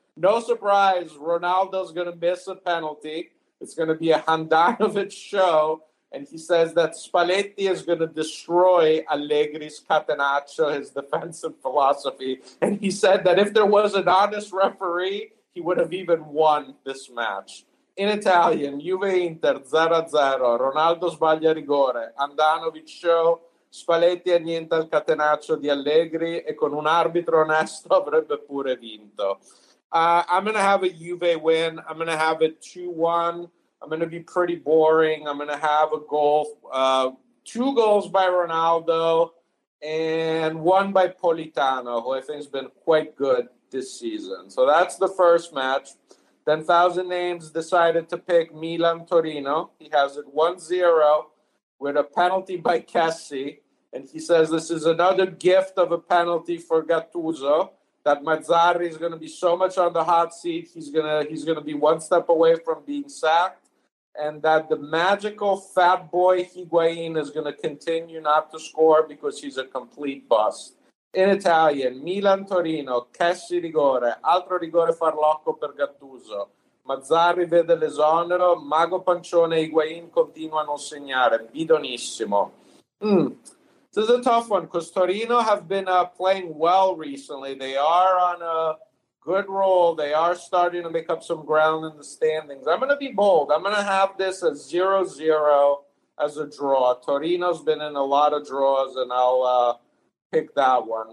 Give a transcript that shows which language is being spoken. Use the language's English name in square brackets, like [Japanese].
[English] No surprise, Ronaldo's going to miss a penalty. It's going to be a Handanovic show. And he says that Spalletti is going to destroy Allegri's Catenaccio, his defensive philosophy. And he said that if there was an honest referee, he would have even won this match. In Italian, [Italian] Juve-Inter, 0-0, Ronaldo sbaglia rigore, Handanovic show, Spalletti annienta il Catenaccio di Allegri e con un arbitro onesto avrebbe pure vinto. [English] I'm going to have a Juve win. I'm going to have it 2-1. I'm going to be pretty boring. I'm going to have a goal, 2 goals by Ronaldo and 1 by Politano, who I think has been quite good this season. So that's the first match. Then 1,000 Names decided to pick Milan-Torino. He has it 1-0 with a penalty by Kessié. And he says this is another gift of a penalty for Gattuso, that Mazzarri is going to be so much on the hot seat, he's going to be one step away from being sacked. and that the magical fat boy Higuain is going to continue not to score because he's a complete bust. In Italian, [Italian] Milan-Torino, calcio rigore, altro rigore farlocco per Gattuso. Mazzarri vede l'esonero, Mago Pancione e Higuain continua a non segnare. Bidonissimo. [English] This is a tough one because Torino have been playing well recently. They are on a good roll. They are starting to make up some ground in the standings. I'm going to be bold. I'm going to have this as 0-0 as a draw. Torino's been in a lot of draws, and I'll pick that one.